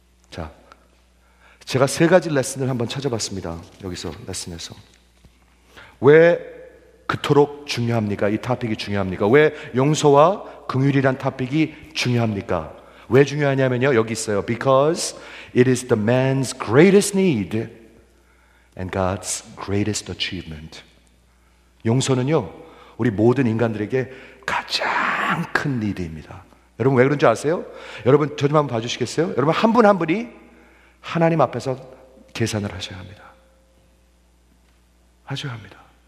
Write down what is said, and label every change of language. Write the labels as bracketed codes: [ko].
[ko] 자, 제가 세 가지 레슨을 한번 찾아봤습니다. 여기서 레슨에서. 왜 그토록 중요합니까? 이 토픽이 중요합니까? 왜 용서와 긍휼이란 토픽이 중요합니까? 왜 중요하냐면요. 여기 있어요. [en] Because it is the man's greatest need and God's greatest achievement. [ko] 용서는요, 우리 모든 인간들에게 가장 큰 니드입니다. 여러분 왜 그런지 아세요? 여러분 저 좀 한번 봐주시겠어요? 여러분 한 분 한 분이 하나님 앞에서 계산을 하셔야 합니다. 하셔야 합니다.